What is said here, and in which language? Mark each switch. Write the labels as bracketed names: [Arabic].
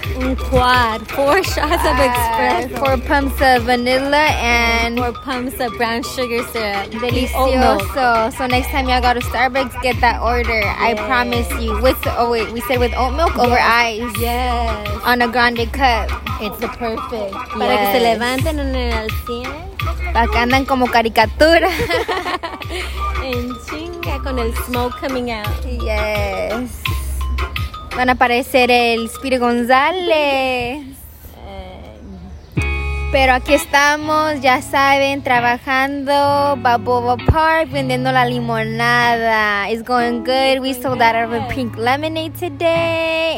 [English] Un quad. 4 shots of espresso. 4 pumps of vanilla and... 4 pumps of brown sugar syrup. [Spanish] Delicioso. [English] So next time y'all go to Starbucks, get that order. Yes. I promise you. We said with oat milk over ice. Yes. On a grande cup. It's the perfect. Yes. [Spanish] Para que se levanten en el cine. Para que andan como caricatura. En chinga con el [English] smoke coming out. [Spanish] Yes. Van a aparecer el Spire González. Pero aquí estamos, ya saben, trabajando. Baboba Park, vendiendo la limonada. [English] It's going good. We sold out of a pink lemonade today.